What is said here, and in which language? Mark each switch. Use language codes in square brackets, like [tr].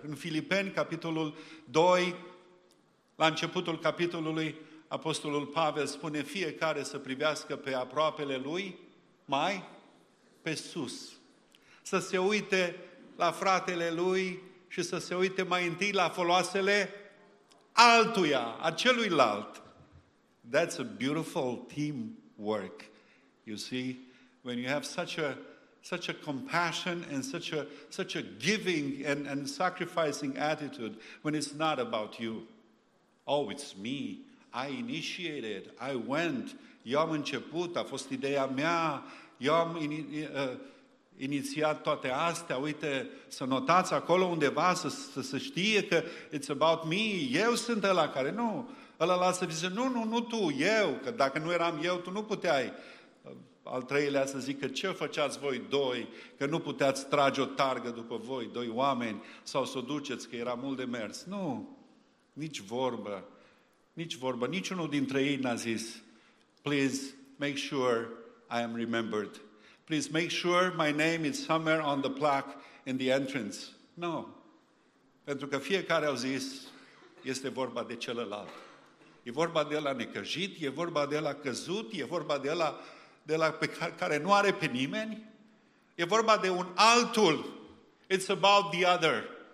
[ro] În Filipeni, capitolul 2, la începutul capitolului, Apostolul Pavel spune fiecare să privească pe aproapele lui mai pe sus. Să se uite la fratele lui și să se uite mai întâi la foloasele altuia, a celuilalt. [en] That's a beautiful team work. You see, when you have such a compassion and such a giving and sacrificing attitude, when it's not about you. Oh, it's me. I initiated. I went. [ro] Eu am început. A fost ideea mea. Eu am inițiat toate astea, uite, să notați acolo undeva, să știe că [en] it's about me, [ro] eu sunt ăla care, nu, ăla lasă să zice, nu tu, eu, că dacă nu eram eu, tu nu puteai. Al treilea să zică, ce făceați voi doi, că nu puteați trage o targă după voi, doi oameni, sau să o duceți, că era mult de mers. Nu, nici vorbă, niciunul dintre ei n-a zis, [en] please make sure I am remembered. Please make sure my name is somewhere on the plaque in the entrance. No. [ro] Pentru că fiecare au zis, este vorba de celălalt. E vorba de ăla necăjit, e vorba de ăla căzut, e vorba de ăla pe care nu are pe nimeni. E vorba de un altul. [en] It's about the other.